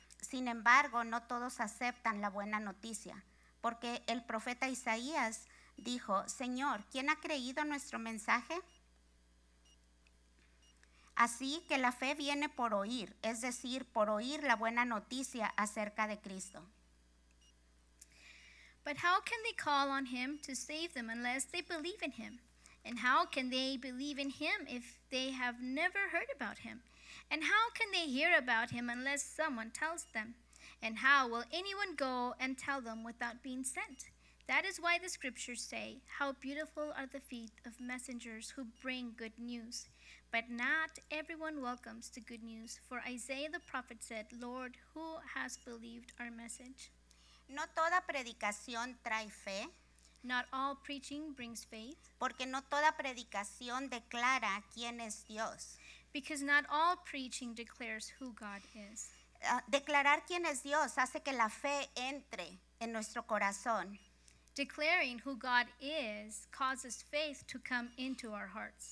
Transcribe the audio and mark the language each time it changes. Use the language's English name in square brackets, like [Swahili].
[Spanish] Sin embargo, no todos aceptan la buena noticia, porque el profeta Isaías dijo: Señor, ¿quién ha creído nuestro mensaje? Así que la fe viene por oír, es decir, por oír la buena noticia acerca de Cristo. [English] But how can they call on him to save them unless they believe in him? And how can they believe in him if they have never heard about him? And how can they hear about him unless someone tells them? And how will anyone go and tell them without being sent? That is why the scriptures say, how beautiful are the feet of messengers who bring good news. But not everyone welcomes the good news, for Isaiah the prophet said, Lord, who has believed our message? [Spanish] No toda predicación trae fe. [English] Not all preaching brings faith. [Spanish] Porque no toda predicación declara quién es Dios. [English] Because not all preaching declares who God is. [Spanish] Declarar quién es Dios hace que la fe entre en nuestro corazón. [English] Declaring who God is causes faith to come into our hearts.